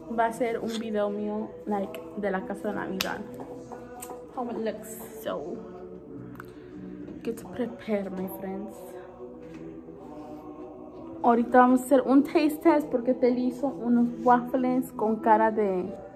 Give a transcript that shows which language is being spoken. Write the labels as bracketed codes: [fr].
[es] Va a ser un video mío, like, de la casa de Navidad. [en] How it looks so. Get to prepare, my friends. [es] Ahorita vamos a hacer un [en] taste test [es] porque te hizo unos waffles con cara de.